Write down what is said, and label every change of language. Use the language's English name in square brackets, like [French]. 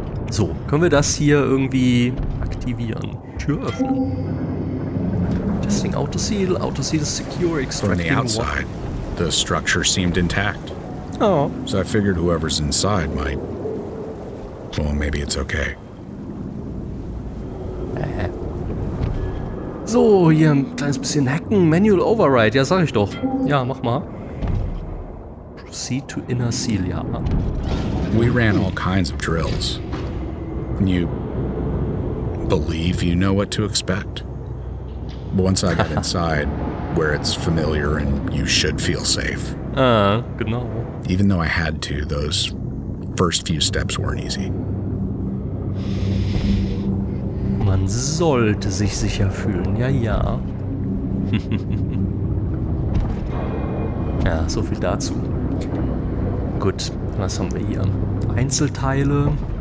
[German] So, können wir das hier irgendwie aktivieren? Tür öffnen. [English] Testing Autoseal secure extracting. From the outside, the structure seemed intact. Oh. So I figured whoever's inside might. Well, maybe it's okay. [German] So, hier ein kleines bisschen hacken. Manual Override, ja, sag ich doch. Ja, mach mal. [English] Proceed to inner seal, [German] ja. [English] We ran all kinds of drills. And you believe you know what to expect? Once I got inside, where it's familiar and you should feel safe. [German] Genau. [English] Even though I had to, those first few steps weren't easy. [German] Man sollte sich sicher fühlen, ja, ja. Ja, so viel dazu. Gut, was haben wir hier? Einzelteile.